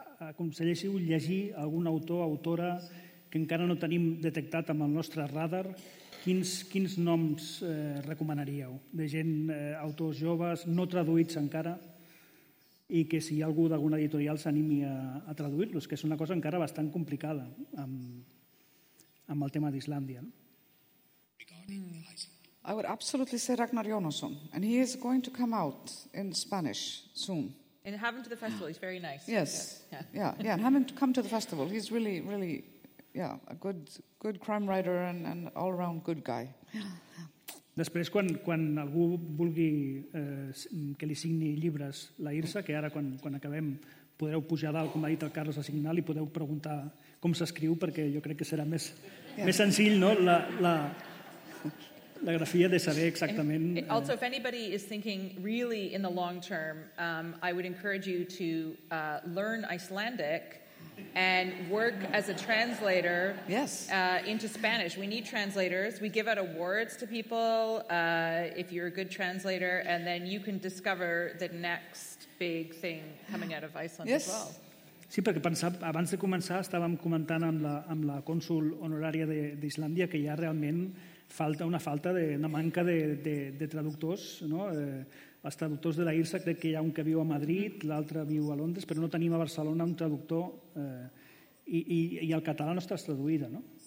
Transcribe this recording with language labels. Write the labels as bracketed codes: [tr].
[ca] aconselléssiu llegir algun autor o autora que encara no tenim detectat amb el nostre radar, quins noms recomanaríeu? De gent, autors joves, no traduïts encara, i que si hi ha algú d'alguna editorial s'animi a traduir-los, que és una cosa encara bastant complicada amb el tema d'Islàndia. [en] I would absolutely say Ragnar Jónasson, and he is going to come out in Spanish soon. In Hamn to the festival, he's very nice. Yes, yeah. And Hamn come to the festival. He's really, really, a good crime writer and all around good guy. [ca] Després, quan algú vulgui que li signi llibres la Irsa, que ara quan acabem podreu pujar dalt, com ha dit el Carlos, a signar, li podeu preguntar com s'escriu, perquè jo crec que serà més més senzill, no? La grafia de saber exactament. [en] And also, if anybody is thinking really in the long term, I would encourage you to learn Icelandic and work as a translator. Yes. Into Spanish. We need translators. We give out awards to people if you're a good translator, and then you can discover the next big thing coming out of Iceland yes. as well. [ca] Sí, perquè pensava, abans de començar estàvem comentant amb la cònsul honorària d'Islàndia que hi ha realment una manca de traductors, no? Els traductors de la IRSA, crec que hi ha un que viu a Madrid, l'altre viu a Londres, però no tenim a Barcelona un traductor i el català no està traduït, no?